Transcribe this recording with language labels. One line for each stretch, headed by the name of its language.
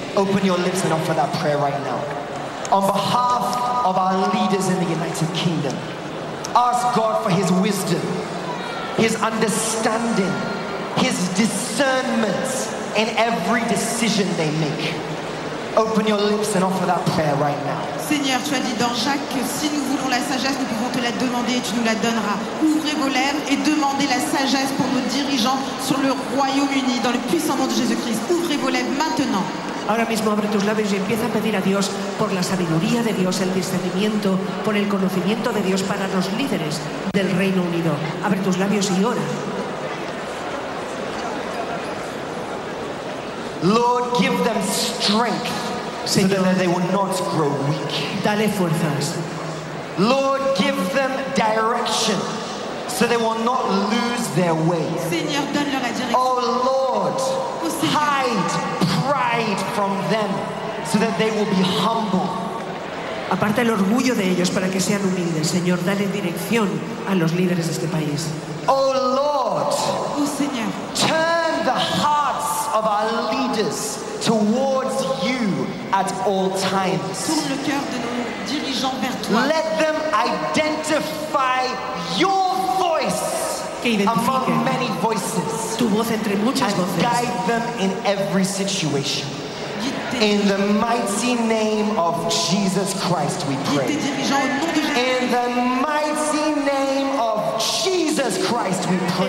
English: Open your lips and offer that prayer right now. On behalf of our leaders in the United Kingdom, ask God for his wisdom, his understanding, his discernment in every decision they make. Open your lips and offer that prayer right now.
French: Seigneur, tu as dit dans Jacques que si nous voulons la sagesse, nous pouvons te la demander et tu nous la donneras. Ouvrez vos lèvres et demandez la sagesse pour nos dirigeants sur le Royaume-Uni, dans le puissant nom de Jésus-Christ. Ouvrez vos lèvres maintenant.
Spanish: Ahora mismo abre tus labios y empieza a pedir a Dios por la sabiduría de Dios, el discernimiento, por el conocimiento de Dios para los líderes del Reino Unido. Abre tus labios y ora.
English: Lord, give them strength,
Spanish: Señor,
English: so that they will not grow weak.
Spanish: Dale fuerzas.
English: Lord, give them direction, so they will not lose their way.
French: Señor, donne-leur la direction.
English: Oh Lord, hide pride from them, so that they will be humble.
Spanish: Aparta el orgullo de ellos para que sean humildes. Señor, dale dirección a los líderes de este país.
English: Oh Lord,
Spanish: oh Señor,
English: turn the hearts of our leaders towards you at all times.
French: Tourne le cœur de nos dirigeants vers toi.
English: Let them identify your voice among many voices.
Spanish: Tu voz entre muchas
English: and
Spanish: voces.
English: Guide them in every situation. In the mighty name of Jesus Christ, we pray. In the mighty name of Jesus Christ, we pray.